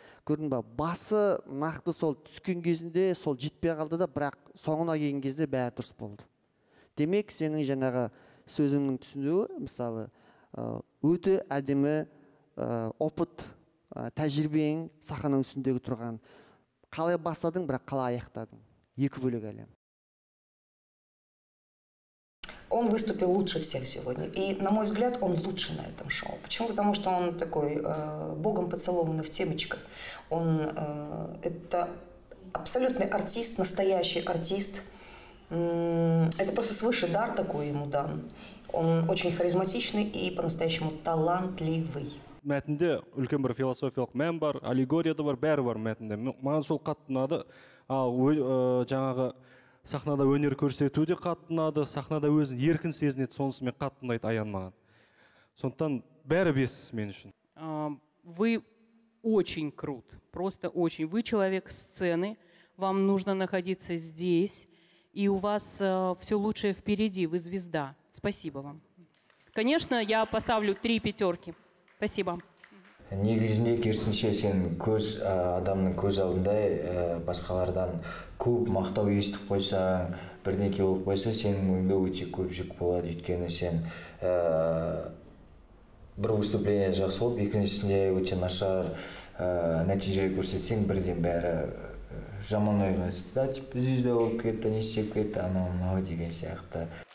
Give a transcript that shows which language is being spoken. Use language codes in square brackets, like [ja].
[kk] Көрдің ба, басы нақты сол түскен кезінде сол жетпей қалды да, бірақ соңына келген кезде бәрі дұрыс болды. Демек сенің жаңағы сөзіңнің түсінуі, мысалы, өте әдемі опыт, тәжірибең сахнаның үстіндегі тұрған. Қалай бастадың, бірақ қалай аяқтадың? Екі бөлек әлем. [ru] Он выступил лучше всех сегодня. И, на мой взгляд, он лучше на этом шоу. Почему? Потому что он такой богом поцелованный в темечках. Он это абсолютный артист, настоящий артист. Это просто свыше дар такой ему дан. Он очень харизматичный и по-настоящему талантливый. [kk] Мәтінде үлкен бір философиялық мән бар, аллегория да бар, бәрі бар мәтінде. Маған сол қатты ұнады. Ал жаңағы сахнада өнер көрсету де қатты ұнады, сахнада өзін еркін сезінеді, сонысымен қатты ұнайды Аян маған. Сондықтан бәрі бес мен үшін. [ru] Вы очень крут, просто очень. Вы человек сцены, вам нужно находиться здесь, и у вас все лучшее впереди, вы звезда. Спасибо вам. Конечно, я поставлю 3 пятерки. Спасибо. [kk] Негізінде керісінше сен көз адамның көз алдында басқалардан көп мақтау естіп қойсаң, бірдеңке болып қойса, сенің мойныңда өте көп жүк болады. Өйткені сен бір выступление жақсы болып, екіншісінде өте нашар нәтиже көрсетсең, бірден бәрі жаман ойласты да, [ru] типа звезда [kk] болып кетті, не істеп кетті, анау-мынау деген сияқты.